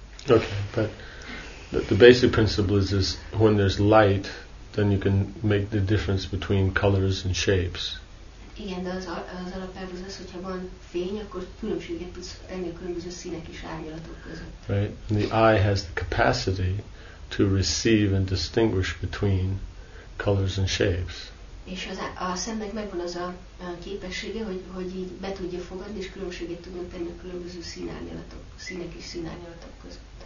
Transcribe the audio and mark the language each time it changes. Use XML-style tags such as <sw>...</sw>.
<en>Okay, but the basic principle is when there's light, then you can make the difference between colors and shapes.</en> <hu>Igen, de az alapelv az, hogyha van fény, akkor különbséget tudsz tenni a különböző színek és árnyalatok között.</hu> <en>Right? And the eye has the capacity to receive and distinguish between colors and shapes.</en> <hu>És a szemnek megvan az a képessége, hogy így be tudja fogadni, és különbséget tudjon tenni a különböző színek és színárnyalatok között.</hu>